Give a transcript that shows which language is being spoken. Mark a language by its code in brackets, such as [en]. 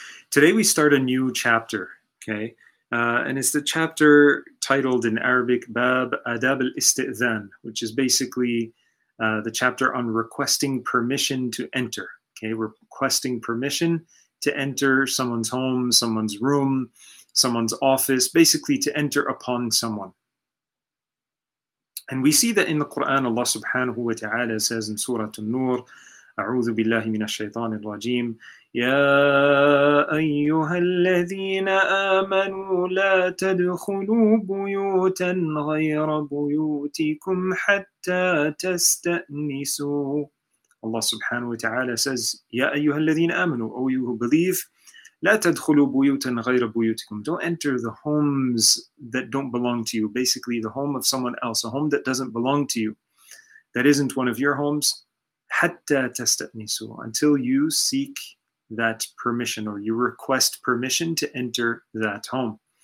[en] Today we start a new chapter, okay? And it's the chapter titled in Arabic, Bab Adab al-Istidhan, which is basically the chapter on requesting permission to enter. Okay, requesting permission to enter someone's home, someone's room, someone's office, basically to enter upon someone. And we see that in the Quran, Allah subhanahu wa ta'ala says in Surah An-Nur, [ar] أعوذ بالله من الشيطان الرجيم يا أيها الذين آمنوا لا تدخلوا بيوتا غير بيوتكم حتى تستأنسوا. Allah subhanahu wa ta'ala says يا أيها الذين آمنوا, [en] O you who believe, [ar] لا تدخلوا بيوتا غير بيوتكم. [en] Don't enter the homes that don't belong to you. Basically the home of someone else, a home that doesn't belong to you, that isn't one of your homes. [ar] Hatta tastanisu, [en] until you seek that permission or you request permission to enter that home.